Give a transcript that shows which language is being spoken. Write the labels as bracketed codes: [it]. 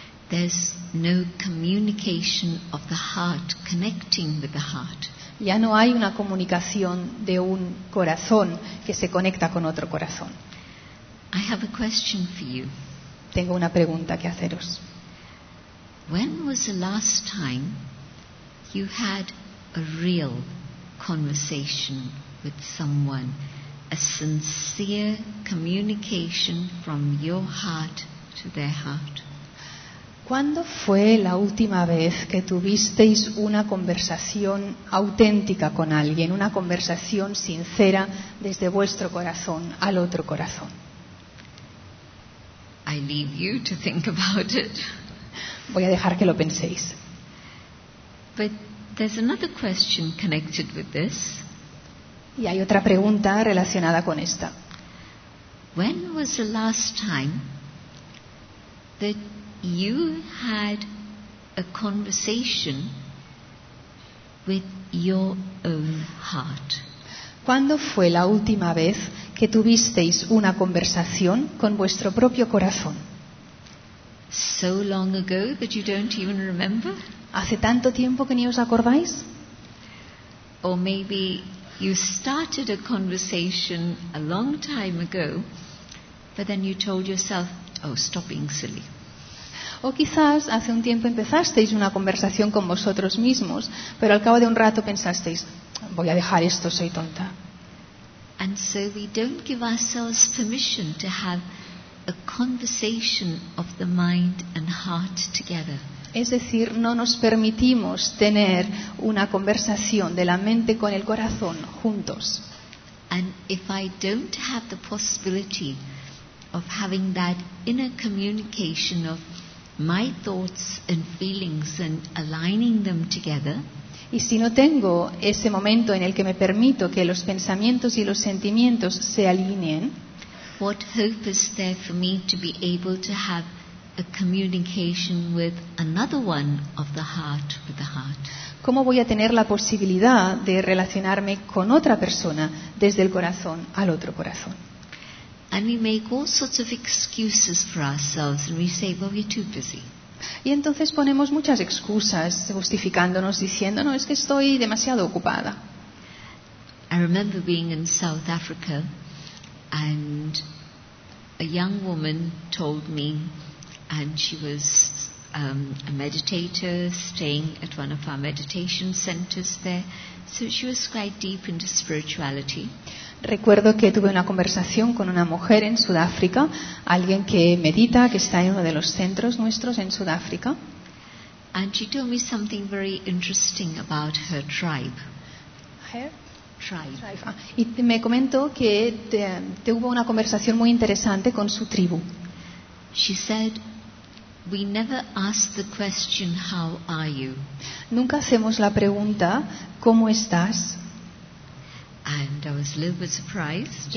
[en] There's no communication of the heart connecting with the heart. [es] Ya no hay una comunicación de un corazón que se conecta con otro corazón. [en] I have a question for you. [es] Tengo una pregunta que haceros. [en] When was the last time you had a real conversation with someone, a sincere communication from your heart to their heart? [es] ¿Cuándo fue la última vez que tuvisteis una conversación auténtica con alguien, una conversación sincera desde vuestro corazón al otro corazón? [en] I leave you to think about it. [es] Voy a dejar que lo penséis. [en] But there's another question connected with this. [es] Y hay otra pregunta relacionada con esta. [en] When was the last time that you had a conversation with your own heart? [es] ¿Cuándo fue la última vez que tuvisteis una conversación con vuestro propio corazón? [en] So long ago that you don't even remember? [es] ¿Hace tanto tiempo que ni os acordáis? [en] Or maybe you started a conversation a long time ago, but then you told yourself, oh, stop being silly. [es] O quizás hace un tiempo empezasteis una conversación con vosotros mismos, pero al cabo de un rato pensasteis, voy a dejar esto, soy tonta. [en] And so we don't give ourselves permission to have a conversation of the mind and heart together. [es] Es decir, no nos permitimos tener una conversación de la mente con el corazón juntos. [en] And if I don't have the possibility of having that inner communication of my thoughts and feelings and aligning them together. [es] Y si no tengo ese momento en el que me permito que los pensamientos y los sentimientos se alineen, [en] what hope is there for me to be able to have a communication with another one of the heart with the heart? [es] ¿Cómo voy a tener la posibilidad de relacionarme con otra persona desde el corazón al otro corazón? [en] And we make all sorts of excuses for ourselves, and we say, "Well, we're too busy." [es] Y entonces ponemos muchas excusas, justificándonos, diciendo, "No, es que estoy demasiado ocupada." [en] I remember being in South Africa, and a young woman told me, and she was a meditator staying at one of our meditation centers there, so she was quite deep into spirituality. [es] Recuerdo que tuve una conversación con una mujer en Sudáfrica, alguien que medita, que está en uno de los centros nuestros en Sudáfrica. [en] And she told me something very interesting about her tribe. Her? Tribe. [es] Y me comentó que tuvo una conversación muy interesante con su tribu. [en] She said, We never ask the question, how are you? [es] Nunca hacemos la pregunta, ¿cómo estás? [en] And I was a little bit surprised.